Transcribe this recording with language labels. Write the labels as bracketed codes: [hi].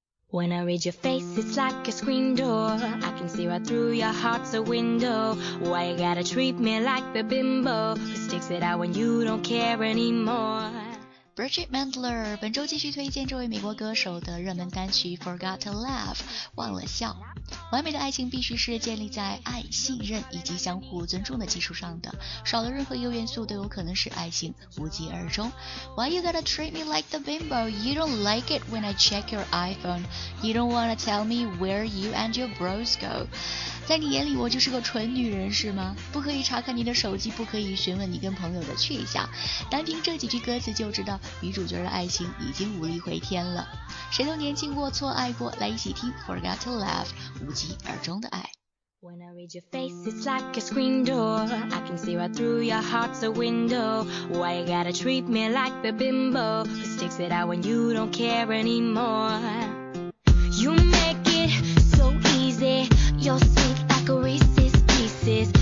[en] When I read your face, it's like a screen door. I can see right through your heart's a window. Why you gotta treat me like the bimbo who sticks it out when you don't care anymore? [zh] Bridget Mendler 本周继续推荐这位美国歌手的热门单曲 Forgot to Laugh 忘了笑。完美的爱情必须是建立在爱、信任以及相互尊重的基础上的，少了任何一个元素都有可能使爱情无疾而终。 [en] Why you gotta treat me like the bimbo? You don't like it when I check your iPhone. You don't wanna tell me where you and your bros go. [zh] 在你眼里我就是个纯女人是吗？不可以查看你的手机，不可以询问你跟朋友的去向。单凭这几句歌词就知道女主角的爱情已经无力回天了。谁都年轻过，错爱过，来一起听 Forgot to Love 无疾而终的爱。 [en] When I read your face, it's like a screen door. I can see right through your heart's a window. Why you gotta treat me like the bimbo who sticks it out when you don't care anymore? You make it so easy. You're sweet like Reese's Pieces.